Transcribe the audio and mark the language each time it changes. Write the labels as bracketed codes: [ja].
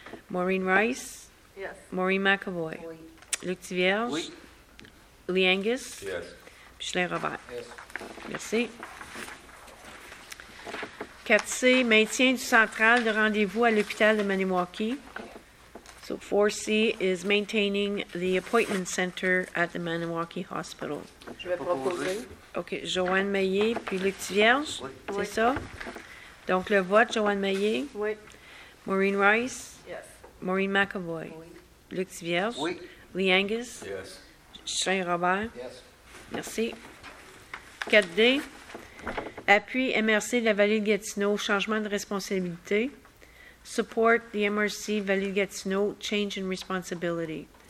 [fr] Maureen Rice. [en] Yes. [fr] Maureen McAvoy. Oui. Luc Thivierge. Oui. Lee Angus. [en] Yes. [fr] Justin Robert. [en] Yes. [fr] Merci. 4C, maintien du central de rendez-vous à l'hôpital de Maniwaki. [en] So 4C is maintaining the appointment center at the Maniwaki Hospital. [fr] Je vais proposer. OK. Joanne Meillet, puis Luc Thivierge, oui. C'est oui. Ça? Donc, le vote, Joanne Meillet. Oui. Maureen Rice. [en] Yes. [fr] Maureen McAvoy. Oui. Luc Thivierge. Oui. Lee Angus. [en] Yes. [fr] Justin Robert. [en] Yes. [fr] Merci. 4D. Appui MRC de la Vallée de Gatineau, changement de responsabilité. [en] Support the MRC Vallée de Gatineau, change in responsibility.